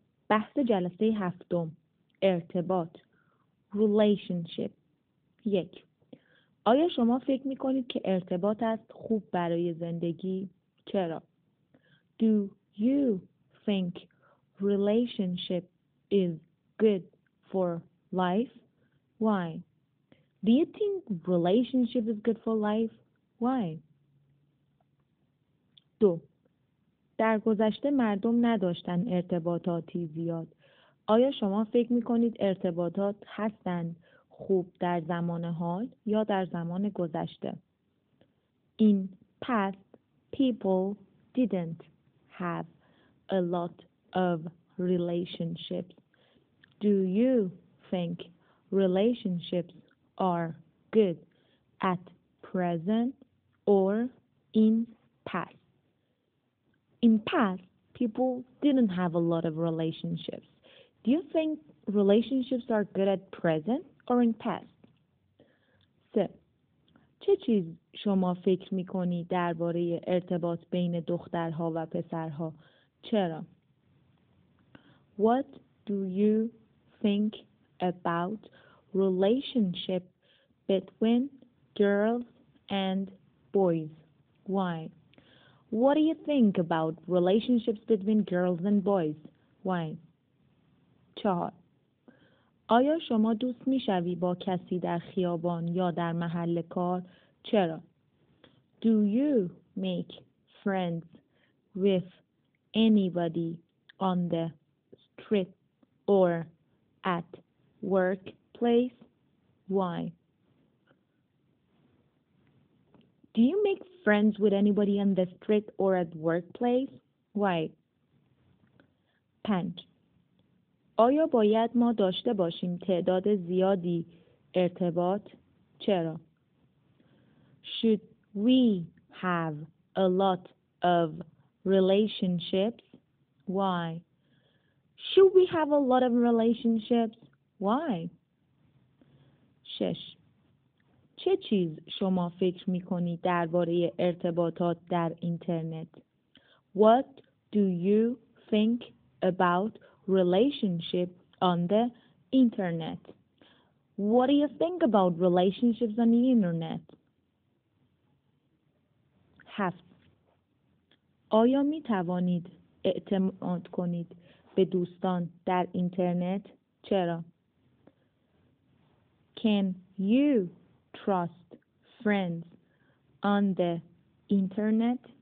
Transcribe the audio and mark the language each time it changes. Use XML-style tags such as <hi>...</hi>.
<fa>بحث جلسه هفتم، ارتباط، relationship. 1. آیا شما فکر می‌کنید که ارتباط است خوب برای زندگی؟ چرا؟</fa> <en>Do you think relationship is good for life? Why? Do you think relationship is good for life? Why? 2.</en> <fa>در گذشته مردم نداشتن ارتباطاتی زیاد. آیا شما فکر می‌کنید ارتباطات هستن خوب در زمان حال یا در زمان گذشته؟</fa> <en>In past, people didn't have a lot of relationships. Do you think relationships are good at present or in past? In past, people didn't have a lot of relationships. Do you think relationships are good at present or in past?</en> <fa>3. چه چیز شما فکر می‌کنی درباره ارتباط بین دخترها و پسرها؟ چرا؟</fa> <en>What do you think about relationship between girls and boys? Why? What do you think about relationships between girls and boys? Why? 4.</en> <fa>آیا شما دوست می‌شوی با کسی در خیابان یا در محل کار؟ چرا؟</fa> <en>Do you make friends with anybody on the street or at workplace? Why? Do you make friends with anybody on the street or at workplace? Why? 5.</en> <fa>آیا باید ما داشته باشیم تعداد زیادی ارتباط؟ چرا؟</fa> <en>Should we have a lot of relationships? Why? Should we have a lot of relationships? Why? 6.</en> <fa>چه چیز شما فکر می‌کنی درباره ارتباطات در اینترنت؟</fa> <en>What do you think about relationship on the internet? What do you think about relationships on the internet? 7.</en> <fa>آیا می توانید اعتماد کنید به دوستان در اینترنت؟ چرا؟</fa> <en>Can you trust friends on the internet?</en>